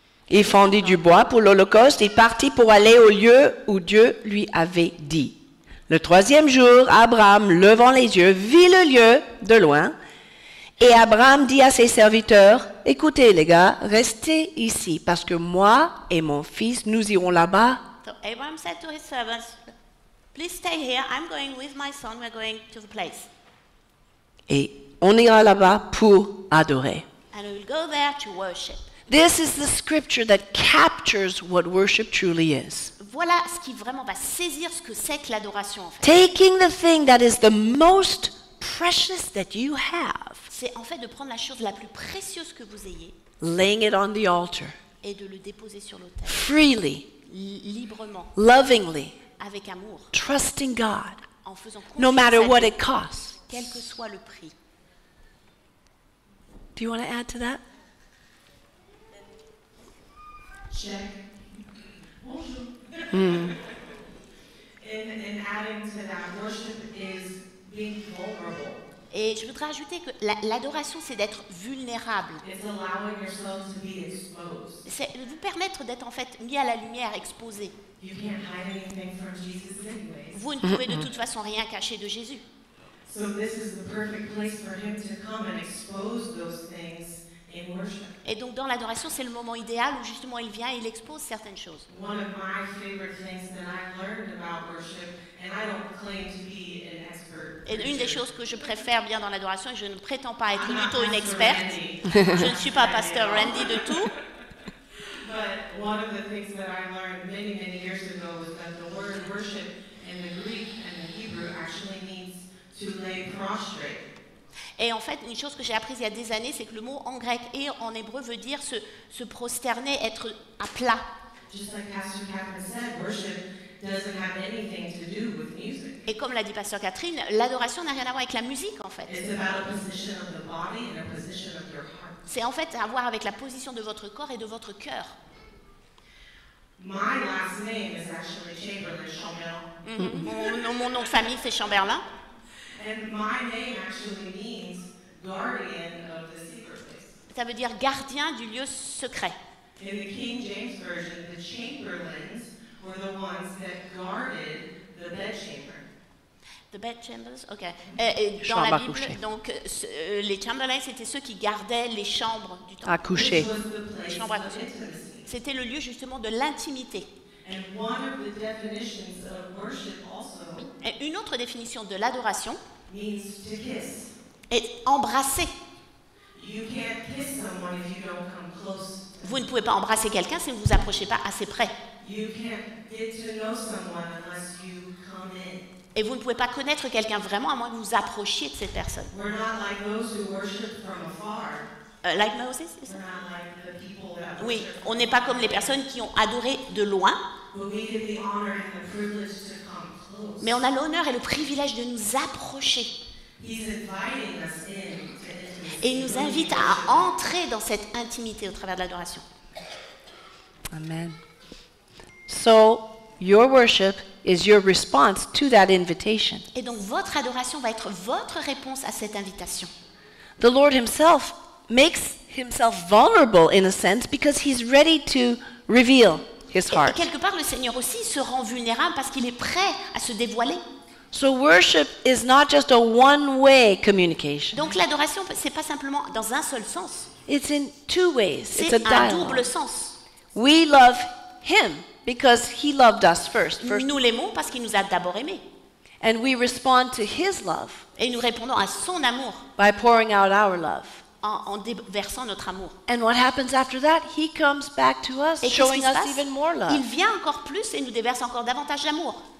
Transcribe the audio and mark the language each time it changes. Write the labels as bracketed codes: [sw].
[fr] Il fendit du bois pour l'holocauste et partit pour aller au lieu où Dieu lui avait dit. Le troisième jour, Abraham, levant les yeux, vit le lieu de loin. Et Abraham dit à ses serviteurs, « Écoutez les gars, restez ici, parce que moi et mon fils, nous irons là-bas. » [en] So Abraham said to his servants, « Please stay here, I'm going with my son, we're going to the place. » [fr] Et on ira là-bas pour adorer. [en] And we'll go there to worship. This is the scripture that captures what worship truly is. [fr] Voilà ce qui vraiment va saisir ce que c'est que l'adoration en fait. [en] Taking the thing that is the most precious that you have. [fr] C'est en fait de prendre la chose la plus précieuse que vous ayez. [en] Laying it on the altar. [fr] Et de le déposer sur l'autel. [en] Freely. [fr] Librement. [en] Lovingly. [fr] Avec amour. [en] Trusting God. [fr] En faisant confiance. [en] No matter what it costs. [fr] Quel que soit le prix. [en] Do you want to add to that? And adding to that, worship is being vulnerable. [fr] Et je voudrais ajouter que l'adoration, c'est d'être vulnérable. [en] It's allowing yourself to be exposed. [fr] C'est vous permettre d'être en fait mis à la lumière, exposé. [en] You can't hide anything from Jesus anyways. [fr] Vous ne pouvez de toute façon rien cacher de Jésus. [en] So this is the perfect place for him to come and expose those things. [fr] Et donc dans l'adoration, c'est le moment idéal où justement il vient et il expose certaines choses. [en] One of my favorite things that I learned about worship, and I don't claim to be an expert. [fr] Et une des choses que je préfère bien dans l'adoration, et je ne prétends pas être plutôt une experte. Je ne suis pas Pasteur Randy de tout. [en] But one of the things that I learned many, many years ago is that the word worship in the Greek and the Hebrew actually means to lay prostrate. [fr] Et en fait, une chose que j'ai apprise il y a des années, c'est que le mot en grec et en hébreu veut dire se prosterner, être à plat. [en] Just like Pastor Catherine said, worship doesn't have anything to do with music. [fr] Et comme l'a dit Pasteur Catherine, l'adoration n'a rien à voir avec la musique, en fait. [en] It's about a position of the body and a position of your heart. [fr] C'est en fait à voir avec la position de votre corps et de votre cœur. [en] My last name is actually Chamberlain, Chamberlain. [fr] Mon nom de famille, c'est Chamberlain. [en] And my name actually means guardian of the secret place. [fr] Ça veut dire gardien du lieu secret. [en] In the King James Version, the chamberlains were the ones that guarded the bed chamber. The bed chambers, okay. [fr] Dans la Bible, donc les chamberlains c'était ceux qui gardaient les chambres du temple. À coucher. Les chambres à coucher. C'était le lieu justement de l'intimité. [en] And one of the definitions of worship also. [fr] Et une autre définition de l'adoration [en] means [fr] est embrasser. [en] You can't kiss someone if you don't come close. [fr] Vous ne pouvez pas embrasser quelqu'un si vous ne vous approchez pas assez près. [en] You can't get to know someone unless you come in. [fr] Et vous ne pouvez pas connaître quelqu'un vraiment à moins que vous vous approchiez de cette personne. [en] We're not like those who worship from afar. like Moses. We're not like the people that worship. [fr] Oui, on n'est pas comme les personnes qui ont adoré de loin. [en] But we give the honor and the privilege to come close. [fr] Mais on a l'honneur et le privilège de nous approcher. [en] He's inviting us in to intimacy. [fr] Et il nous invite à entrer dans cette intimité au travers de l'adoration. [en] Amen. So, your worship is your response to that invitation. [fr] Et donc votre adoration va être votre réponse à cette invitation. [en] The Lord himself makes himself vulnerable in a sense because he's ready to reveal his heart. [fr] Et quelque part le Seigneur aussi se rend vulnérable parce qu'il est prêt à se dévoiler. [en] So worship is not just a one-way communication. [fr] Donc l'adoration c'est pas simplement dans un seul sens. [en] It's in two ways. [fr] C'est [en] it's a dialogue. [fr] Un double sens. [en] We love him because he loved us first. [fr] Nous l'aimons parce qu'il nous a d'abord aimés. [en] And we respond to his love. [fr] Et nous répondons à son amour. [en] By pouring out our love. [fr] En déversant notre amour. [en] And what happens after that? He comes back to us, showing us even more love. [fr] Il vient encore plus et nous déverse encore davantage d'amour.